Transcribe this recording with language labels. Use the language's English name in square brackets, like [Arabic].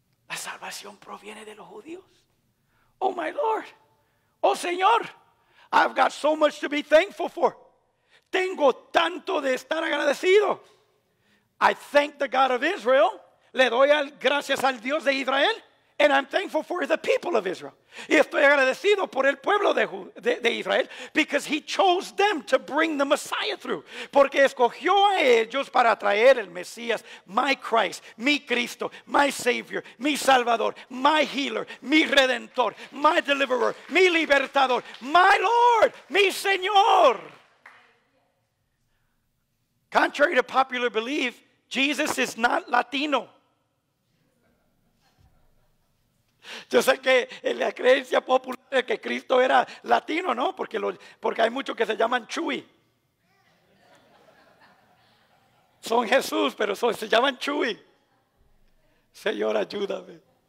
[Spanish] La salvación proviene de los judíos. [English] Oh my Lord. [Spanish] Oh Señor. [English] I've got so much to be thankful for. [Spanish] Tengo tanto de estar agradecido. [English] I thank the God of Israel. [Spanish] Le doy gracias al Dios de Israel. [English] And I'm thankful for the people of Israel. [Spanish] Y estoy agradecido por el pueblo de Israel. [English] Because he chose them to bring the Messiah through. [Spanish] Porque escogió a ellos para traer el Mesías. [English] My Christ, [Spanish] mi Cristo, [English] my Savior, [Spanish] mi Salvador, [English] my Healer, [Spanish] mi Redentor, [English] my Deliverer, [Spanish] mi Libertador, [English] my Lord, [Spanish] mi Señor. [English] Contrary to popular belief, Jesus is not Latino. [Spanish] Yo sé que en la creencia popular de que Cristo era latino, ¿no? Porque hay muchos que se llaman Chuy. Son Jesús, pero se llaman Chuy. Señor, ayúdame.